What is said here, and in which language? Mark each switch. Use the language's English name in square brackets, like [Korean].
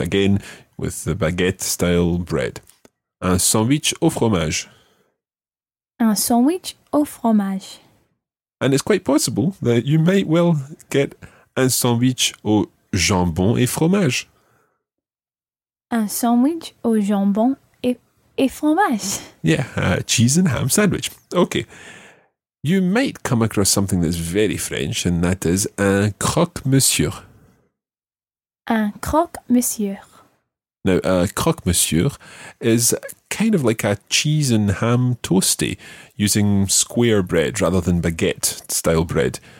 [English] Again, with the baguette-style bread. [French] Un sandwich au fromage. Un sandwich au fromage. [English] And it's quite possible that you might well get [French] un sandwich au jambon et fromage. Un sandwich au jambon et fromage. [English] Yeah, a cheese and ham sandwich. Okay. You might come across something that's very French, and that is un croque-monsieur. [French] Un croque-monsieur. [English] Now, a croque-monsieur is kind of like a cheese and ham toasty, using square bread rather than baguette-style bread.